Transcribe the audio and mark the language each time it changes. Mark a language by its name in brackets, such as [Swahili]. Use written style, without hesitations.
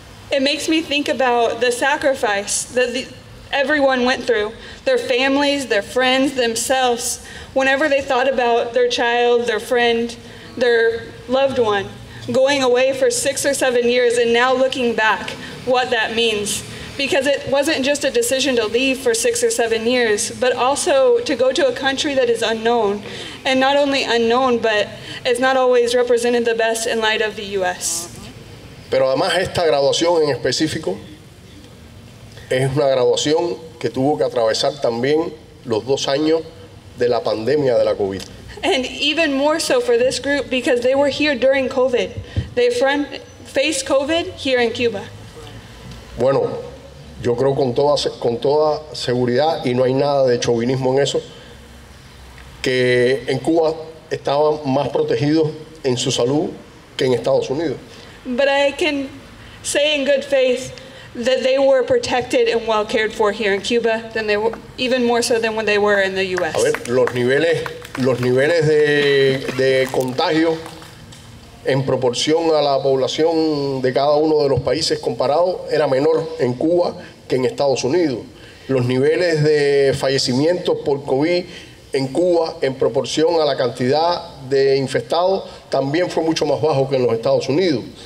[English] It makes me think about the sacrifice that everyone went through, their families, their friends, themselves, whenever they thought about their child, their friend, their loved one, going away for 6 or 7 years and now looking back what that means. Because it wasn't just a decision to leave for 6 or 7 years, but also to go to a country that is unknown. And not only unknown, but it's not always represented the best in light of the U.S. [Spanish] Pero además esta graduación en específico es una graduación que tuvo que atravesar también los 2 años de la pandemia de la COVID. [English] And even more so for this group, because they were here during COVID. They faced COVID here in Cuba. [Spanish] Bueno, yo creo con toda seguridad, y no hay nada de chauvinismo en eso, que en Cuba estaban más protegidos en su salud que en Estados Unidos. [English] But I can say in good faith that they were protected and well cared for here in Cuba than they were, even more so than when they were in the U.S. [Spanish] A ver, los niveles de contagio en proporción a la población de cada uno de los países comparados era menor en Cuba que en Estados Unidos. Los niveles de fallecimientos por COVID en Cuba en proporción a la cantidad de infectados también fue mucho más bajo que en los Estados Unidos.